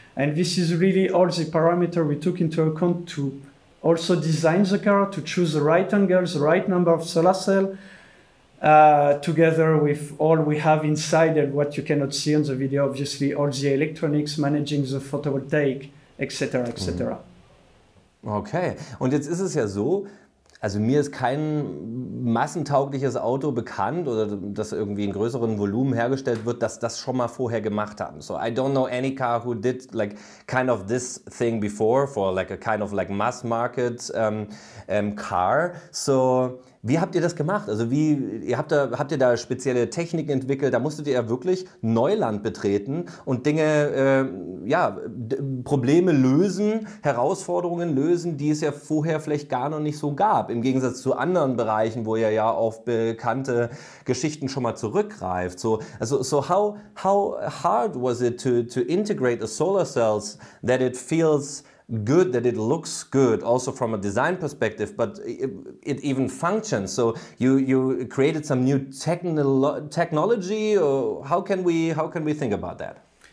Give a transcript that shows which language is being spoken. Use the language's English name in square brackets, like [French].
[English] And this is really all the parameter we took into account to also design the car, to choose the right angles, the right number of solar cells, together with all we have inside and what you cannot see on the video, obviously all the electronics, managing the photovoltaic, etc., etc. [German] Okay, und jetzt ist es ja so, also mir ist kein massentaugliches Auto bekannt oder das irgendwie in größeren Volumen hergestellt wird, dass das schon mal vorher gemacht haben. [English] So I don't know any car who did like kind of this thing before for like a kind of like mass market car. [German] So wie habt ihr das gemacht? Also habt ihr da spezielle Techniken entwickelt? Da musstet ihr ja wirklich Neuland betreten und Dinge, Probleme lösen, Herausforderungen lösen, die es ja vorher vielleicht gar noch nicht so gab. Im Gegensatz zu anderen Bereichen, wo ihr ja auf bekannte Geschichten schon mal zurückgreift. [English] So how hard was it to integrate the solar cells that it feels good, that it looks good also from a design perspective, but it even functions? So you created some new technology, or how can we think about that?